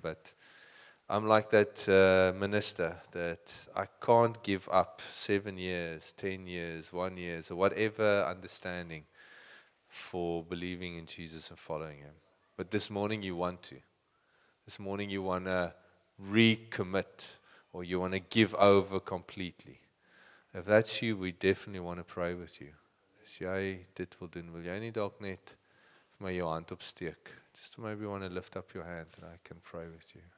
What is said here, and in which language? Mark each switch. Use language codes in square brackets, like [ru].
[en] But I'm like that minister that I can't give up 7 years, 10 years, 1 year, or whatever understanding for believing in Jesus and following Him. But this morning you want to. This morning you want to recommit, or you want to give over completely. If that's you, we definitely want to pray with you. [af] As jy dit wil doen, wil jy nie dalk net vir my jou hand opsteek? [en] Just maybe want to lift up your hand and I can pray with you.